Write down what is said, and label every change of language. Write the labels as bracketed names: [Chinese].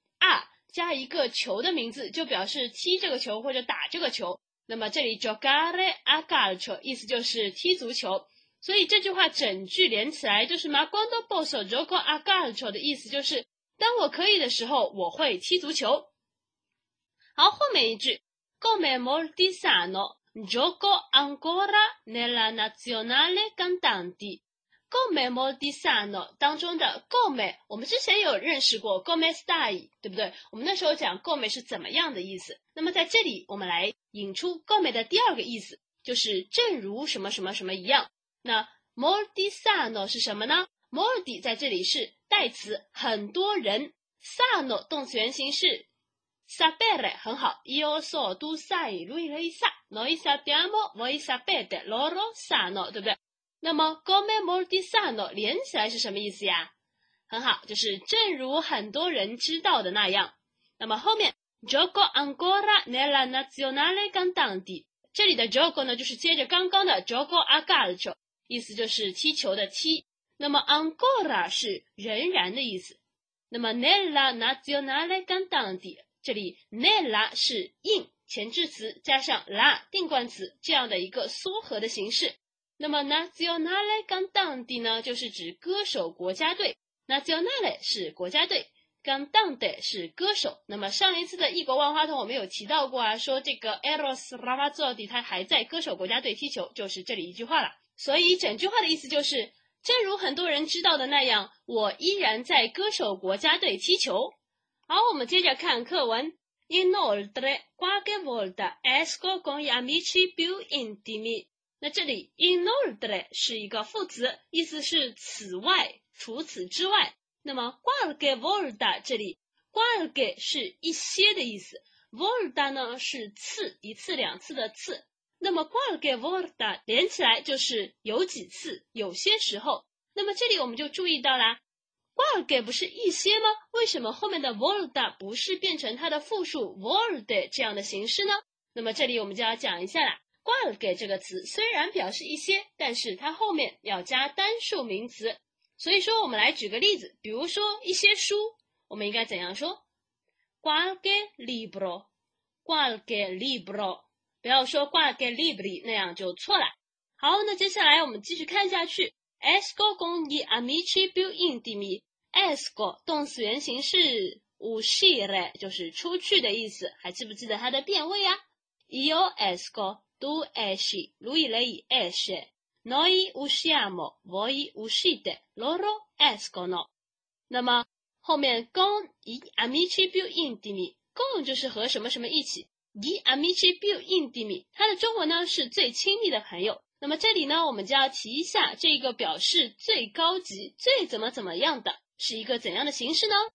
[Chinese] a 加一个球的名字就表示踢这个球或者打这个球，那么这里 [Italian] giocare a calcio [Chinese] 意思就是踢足球，所以这句话整句连起来就是 [Italian] ma quando posso gioco a calcio [Chinese] 的意思就是当我可以的时候我会踢足球。好，后面一句 [Italian] come molti sanno gioco ancora nella nazionale cantanti， [Chinese] come molti sanno 当中的 come 我们之前有认识过 [Italian] come stai， [Chinese] 对不对？我们那时候讲 come 是怎么样的意思，那么在这里我们来引出 come 的第二个意思，就是正如什么什么什么一样。那 [Italian] molti sanno [Chinese] 是什么呢？ [Italian] molti [Chinese] 在这里是代词很多人， [Italian] sanno [Chinese] 动词原形式 [Italian] sapere， 很好， io so tu sai lui lei sa noi sappiamo voi sapete loro sanno， 对不对？ [Chinese] 那么 [Italian] come molti sanno [Chinese] 连起来是什么意思呀？很好，就是正如很多人知道的那样。那么后面 [Italian] gioco ancora nella nazionale cantanti， [Chinese] 这里的 gioco 呢就是接着刚刚的 [Italian] gioco a calcio， [Chinese] 意思就是踢球的踢。那么 ancora 是仍然的意思。那么 [Italian] nella nazionale cantanti， [Chinese] 这里 nella 是 in 前置词加上 la 定冠词这样的一个缩合的形式。那么 [Italian] nazionale cantanti [Chinese] 呢就是指歌手国家队， nazionale 是国家队，Cantante 是歌手。那么上一次的异国万花筒我们有提到过啊，说这个 Eros Ramazzotti 他还在歌手国家队踢球，就是这里一句话了。所以整句话的意思就是，正如很多人知道的那样，我依然在歌手国家队踢球。好，我们接着看课文。 [Italian] Inoltre qualche volta esco con gli amici più intimi。 [Chinese] 那这里 Inoltre 是一个副词，意思是此外，除此之外。那么 [Italian] qualche volta [Chinese] 这里 qualche 是一些的意思， volta 呢是次，一次两次的次。那么 [Italian] qualche volta [Chinese] 连起来就是有几次，有些时候。那么这里我们就注意到啦， qualche 不是一些吗？为什么后面的 volta 不是变成它的复数 volte 这样的形式呢？那么这里我们就要讲一下啦， qualche 这个词虽然表示一些，但是它后面要加单数名词。所以说我们来举个例子，比如说一些书我们应该怎样说？ [Italian] qualche libro， qualche libro， [Chinese] 不要说 [Italian] qualche libri， [Chinese] 那样就错了。好，那接下来我们继续看下去。 [Italian] esco con gli amici più intimi， [Chinese] esco 动词原形是 uscire， 就是出去的意思，还记不记得它的变位啊？ [Italian] io esco， tu esci， lui lei esce，Noi usciamo, voi uscite, loro escono。 [Chinese] 那么后面 [Italian] con gli amici più intimi， [Chinese] con 就是和什么什么一起， gli amici più intimi 它的中文呢是最亲密的朋友。那么这里呢我们就要提一下，这个表示最高级，最怎么怎么样的，是一个怎样的形式呢？